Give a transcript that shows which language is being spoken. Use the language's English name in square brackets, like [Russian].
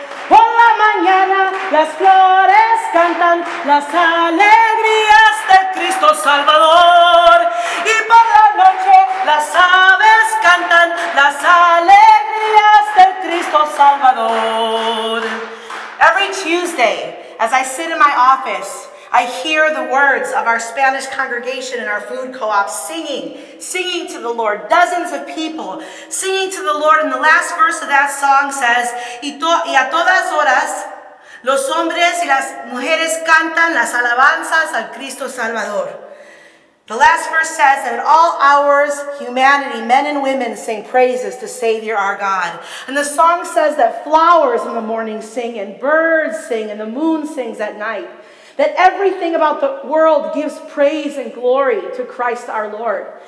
[Spanish] Por la mañana las flores cantan las alegrías de Cristo Salvador. Y por la noche las aves cantan las alegrías de Cristo Salvador. [English] Every Tuesday, as I sit in my office, I hear the words of our Spanish congregation and our food co-op singing to the Lord, dozens of people singing to the Lord. And the last verse of that song says, [Spanish] y a todas horas, los hombres y las mujeres cantan las alabanzas al Cristo Salvador. [English] The last verse says that at all hours, humanity, men and women, sing praises to Savior our God. And the song says that flowers in the morning sing and birds sing and the moon sings at night. That everything about the world gives praise and glory to Christ our Lord.